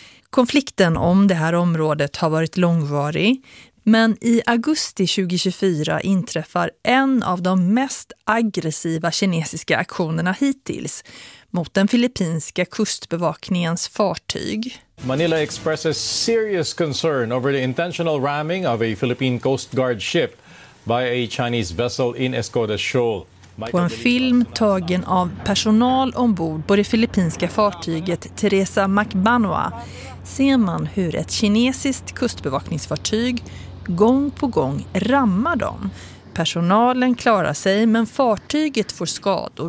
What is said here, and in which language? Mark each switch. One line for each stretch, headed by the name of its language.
Swedish: Konflikten om det här området har varit långvarig, men i augusti 2024 inträffar en av de mest aggressiva kinesiska aktionerna hittills mot den filippinska kustbevakningens fartyg.
English: Manila expresses serious concern over the intentional ramming of a Philippine Coast Guard ship by a Chinese vessel in Escoda Shoal.
Swedish: På en film tagen av personal ombord på det filippinska fartyget Teresa Macbanoa ser man hur ett kinesiskt kustbevakningsfartyg gång på gång rammar dem. Personalen klarar sig, men fartyget får skador.